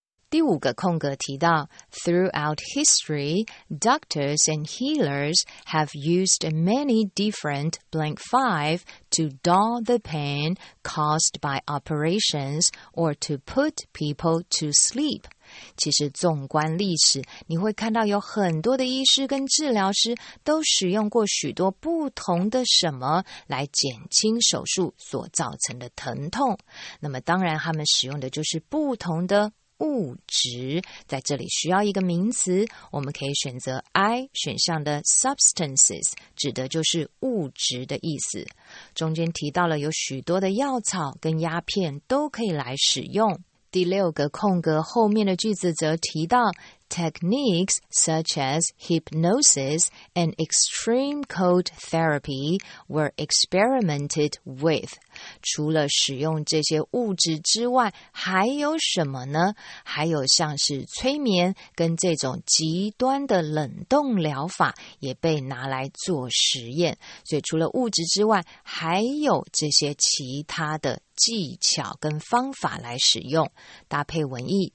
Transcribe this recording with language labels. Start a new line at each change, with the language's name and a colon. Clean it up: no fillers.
Chinese: 第五个空格提到
English: throughout history, doctors and healers have used many different blank five to dull the pain caused by operations or to put people to sleep.
Chinese: 其实纵观历史，你会看到有很多的医师跟治疗师都使用过许多不同的什么来减轻手术所造成的疼痛。那么当然他们使用的就是不同的物质，在这里需要一个名词，我们可以选择 I 选项的 substances， 指的就是物质的意思。中间提到了有许多的药草跟鸦片都可以来使用。第六个空格后面的句子则提到
English: techniques such as hypnosis and extreme cold therapy were experimented with.
Chinese: 除了使用这些物质之外，还有什么呢？还有像是催眠跟这种极端的冷冻疗法也被拿来做实验。所以除了物质之外，还有这些其他的技巧跟方法来使用，搭配文意。